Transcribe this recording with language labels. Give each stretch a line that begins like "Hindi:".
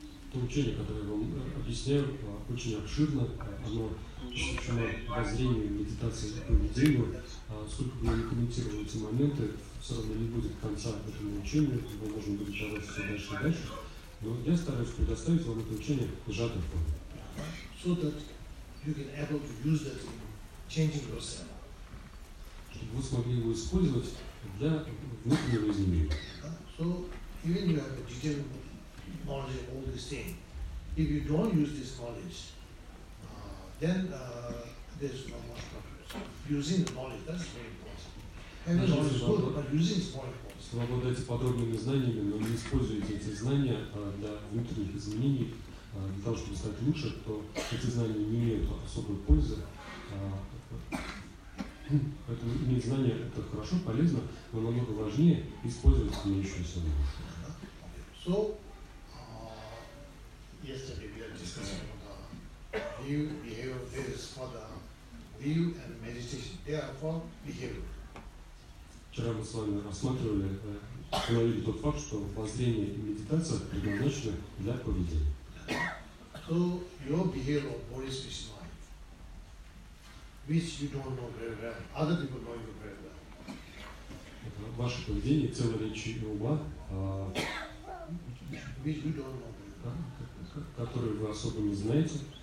Russian: то учение, которое я вам объясняю, очень обширно, оно посвящено воззрению, медитации и поведению. Сколько бы я ни комментировал эти моменты, все равно не будет конца этому учению, мы можем будет давать все дальше и дальше. Но я стараюсь предоставить вам это учение в сжатой форме.
English: So that you can able to use that in changing yourself.
Russian: Чтобы вы смогли его использовать для внутреннего изменения.
English: So, even you have a digital knowledge of all these things. If you don't use this knowledge, then there's not much progress. Using the knowledge, that's very important. Having knowledge is good, but using is more important.
Russian: Если вы обладаете подробными знаниями, но не используете эти знания для внутренних изменений, для того, чтобы стать лучше, то эти знания не имеют особой пользы. Поэтому иметь знания – это хорошо, полезно, но намного важнее использовать имеющуюся душу.
English: So, yesterday we are discussing about the view, behavior, there is for the view and meditation, they are for behavior.
Russian: Вчера мы с вами рассматривали, говорили тот факт, что воззрение и медитация предназначены для поведения.
English: So, your behavior of body, speech, mind, which you don't know very well, other people know you very well.
Russian: Ваше поведение, тело, речи и ума,
English: which you don't know.
Russian: Которые вы особо не знаете,